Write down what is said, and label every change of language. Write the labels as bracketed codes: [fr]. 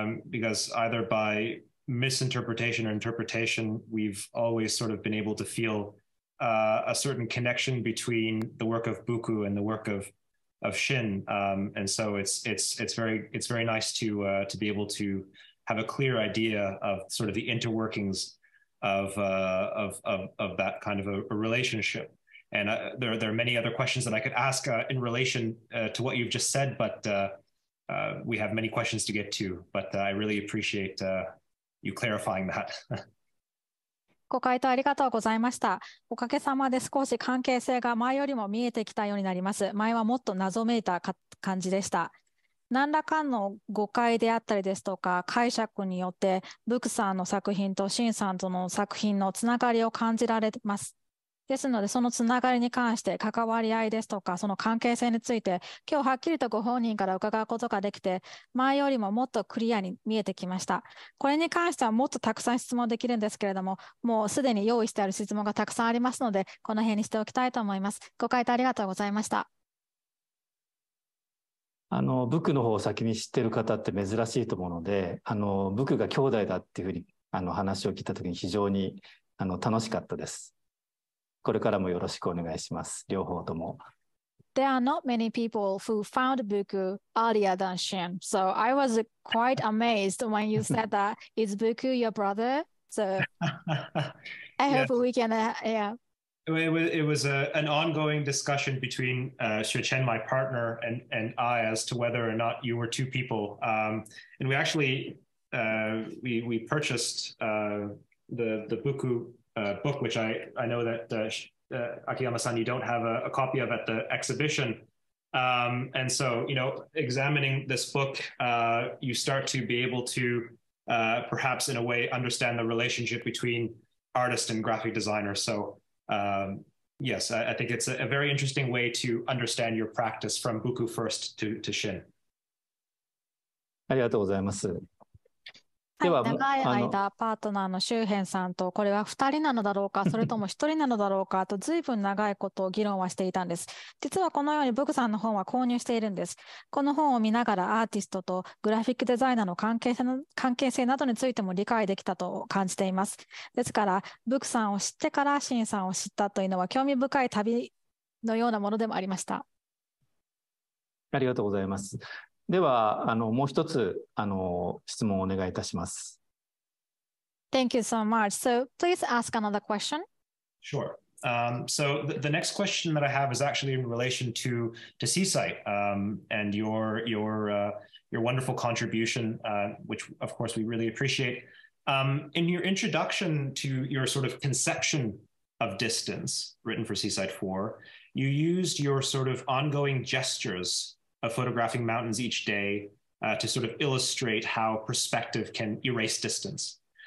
[en] because either by misinterpretation or interpretation, we've always sort of been able to feel a certain connection between the work of Buku and the work of Shin, and so it's very nice to be able to have a clear idea of sort of the interworkings of that kind of a relationship. And there are many other questions that I could ask in relation to what you've just said, but we have many questions to get to, but I really appreciate you clarifying that. [ja] ご回答ありがとうございました。おかげさまで少し関係性が前よりも見えてきたようになります。前はもっと謎めいた感じでした。何らかの誤解であったりですとか解釈によってブクさんの作品とシンさんとの作品のつながりを感じられます。ですのでそのつながりに関して関わり合いですとかその関係性について今日はっきりとご本人から伺うことができて前よりももっとクリアに見えてきました。これに関してはもっとたくさん質問できるんですけれどももうすでに用意してある質問がたくさんありますのでこの辺にしておきたいと思います。ご回答ありがとうございました。ブクの方を先に知ってる方って珍しいと思うのでブクが兄弟だっていうふうに話を聞いた時に非常に楽しかったです。これからもよろしくお願いします。両方とも。 [en] There are not many people who found Buku earlier than Shin, so I was quite amazed when you said that. Is Buku your brother? So I hope we can It was an ongoing discussion between Shuchen, my partner, and I as to whether or not you were two people. And we actually we purchased the Buku book, which I know that Akiyama-san, you don't have a copy of at the exhibition. And so, examining this book, you start to be able to perhaps in a way understand the relationship between artist and graphic designer. So yes, I think it's a very interesting way to understand your practice from Buku first to Shin. [ja] ありがとうございます。では、長い間パートナーの周辺さんとこれは2人なのだろうかそれとも1人なのだろうかとずいぶん長いことを議論はしていたんです。実はこのようにブクさんの本は購入しているんです。この本を見ながらアーティストとグラフィックデザイナーの関係性などについても理解できたと感じています。ですからブクさんを知ってからシンさんを知ったというのは興味深い旅のようなものでもありました。ありがとうございます。ではもう一つ質問をお願いいたします。 [en] Thank you so much. So please ask another question. Sure. So the next question that I have is actually in relation to Seasite and your wonderful contribution, which of course we really appreciate. In your introduction to your sort of conception of distance written for Seasite 4, you used your sort of ongoing gestures of photographing mountains each day to sort of illustrate how perspective can erase distance.